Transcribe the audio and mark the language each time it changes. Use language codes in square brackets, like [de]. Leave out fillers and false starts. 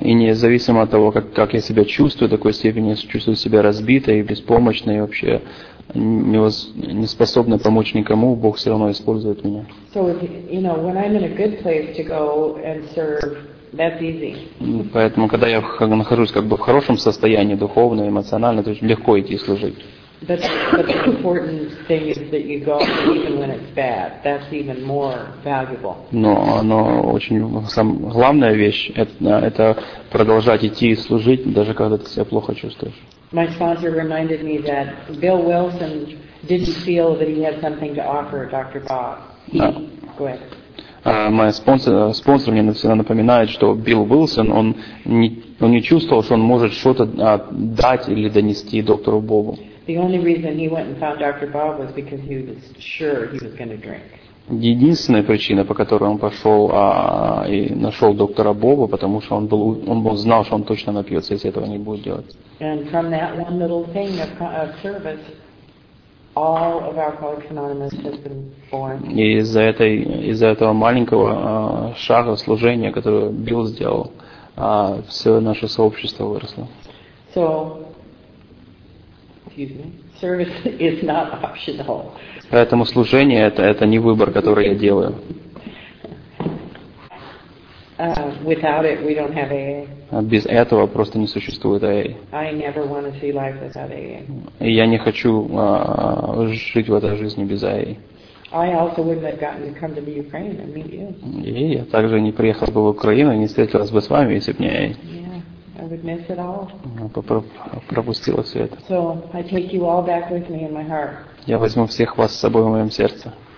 [ru] И независимо от того, как я себя чувствую, в такой степени чувствую себя разбитой, беспомощной, вообще не способной помочь никому, Бог все равно использует меня. [en] So if, you know, when I'm in a good place to go and serve, that's easy. [ru] Поэтому, когда я нахожусь в хорошем состоянии, духовно, эмоционально, то есть легко идти служить. [en] But the important thing is that you go even when it's bad. That's even more valuable. [ru] Но очень главная вещь это продолжать идти и служить, даже когда ты себя плохо чувствуешь. [en] My sponsor reminded me that Bill Wilson didn't feel that he had something to offer Dr. Bob. Go ahead. [ru] Мой спонсор мне всегда напоминает, что Билл Уилсон, он не чувствовал, что он может что-то дать или донести доктору Бобу. [en] The only reason he went and found Dr. Bob was because he was sure he was going to drink. [ru] Единственная причина, по которой он пошел и нашел доктора Боба, потому что он знал, что он точно напьется, если этого не будет делать. [en] And from that one little thing of service, all of Alcoholics Anonymous has been born. [ru] И из-за этого маленького шага служения, которое Билл сделал, а все наше сообщество выросло. [en] So, excuse me, service is not optional. [ru] Поэтому служение это не выбор, который я делаю. [en] Without it, we don't have AA. [ru] Без этого просто не существует AA. [en] I never want to see life without AA. [ru] И я не хочу жить в этой жизни без AA. [en] I also wouldn't have gotten to come to the Ukraine and meet you. [ru] И я также не приехал бы в Украину и не встретился бы с вами, если бы не AA. [en] Yeah, I would miss it all. [ru] Пропустила все это. [en] So I take you all back with me in my heart. [ru] Я возьму всех вас с собой в моем сердце.